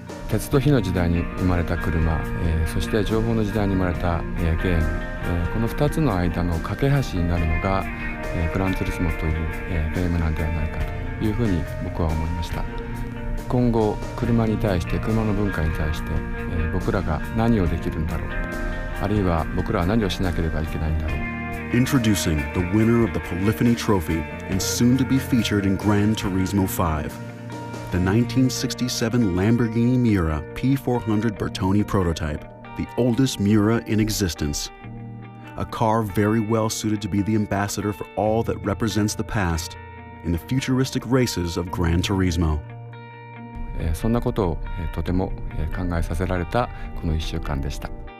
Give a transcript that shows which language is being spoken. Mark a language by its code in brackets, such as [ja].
[ja] 鉄と火の時代に生まれた車、そして情報の時代に生まれた、ゲーム、この2つの間の架け橋になるのが、グランツリスモという、ゲームなんではないかというふうに僕は思いました。今後車に対して、車の文化に対して、僕らが何をできるんだろう、あるいは僕らは何をしなければいけないんだろう。 [en] Introducing the winner of the Polyphony Trophy and soon to be featured in Gran Turismo 5. The 1967 Lamborghini Miura P400 Bertone prototype, the oldest Miura in existence. A car very well suited to be the ambassador for all that represents the past in the futuristic races of Gran Turismo. [ja] そんなことを、とても、考えさせられたこの1週間でした。